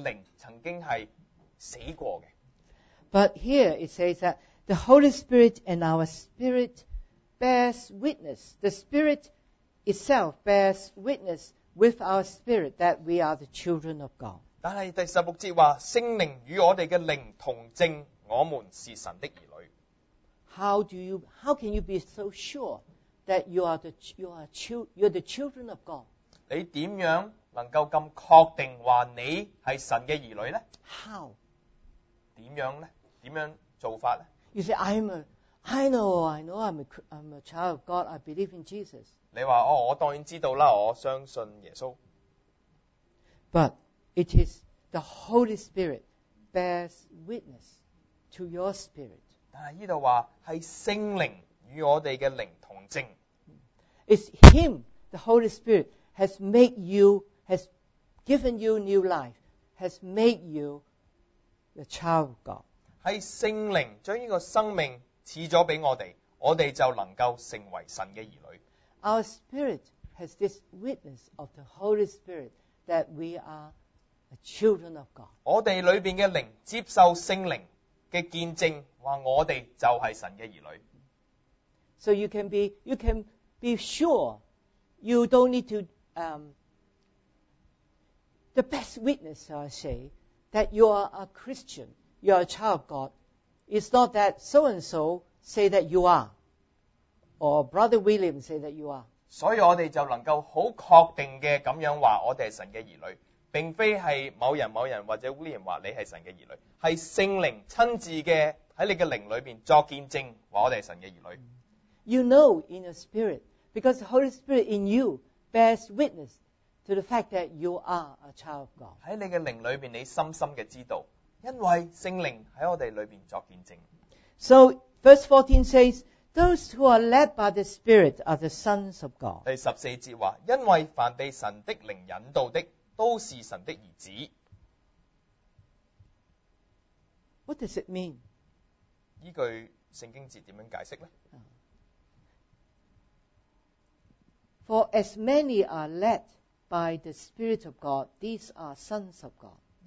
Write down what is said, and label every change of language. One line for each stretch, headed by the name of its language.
Chinese: 甚至是说明到我们的灵曾经是死过的。
English: But here it says that the Holy Spirit and our spirit bears witness. The spirit itself bears witness with our spirit that we are the children of God.
Chinese: 但是第16节说, 圣灵与我们的灵同证, 我们是神的儿女。
English: How can you be so sure that you are the children of God?
Chinese: 你怎样能够这么确定说你是神的儿女呢?
English: How?
Chinese: 怎样呢?怎样做法呢?
English: You say, I'm a child of God, I believe in Jesus.
Chinese: 你说, 哦, 我当然知道啦, 我相信耶稣。
English: But it is the Holy Spirit bears witness to your spirit.
Chinese: 但是这里说是圣灵与我们的灵同证。
English: It's Him, the Holy Spirit, has made you, has given you new life, has made you the child of God.
Chinese: 是圣灵将这个生命赐了给我们，我们就能够成为神的儿女。
English: Our spirit has this witness of the Holy Spirit that we are the children of God.
Chinese: 我们里面的灵接受圣灵的见证，说我们就是神的儿女。
English: So you can be sure you don't need to the best witness, I say, that you are a Christian, you are a child of God. It's not that so-and-so say that you are, or Brother William say that you are.
Chinese: 所以我们就能够很确定地这样说我们是神的儿女。并非是某人或者William说你是神的儿女, 是圣灵亲自的在你的灵里面作见证说我们是神的儿女。
English: You know in your spirit, because the Holy Spirit in you bears witness to the fact that you are a child of God.
Chinese: 在你的灵里面你深深地知道, 因为圣灵在我们里面作见证。
English: So verse 14 says, those who are led by the Spirit are the sons of God.
Chinese: 第14节说, 因为凡被神的灵引导的, 都是神的儿子。
English: What does it mean?
Chinese: 这句圣经节怎样解释呢?
English: For as many are led by the Spirit of God, these are sons of God.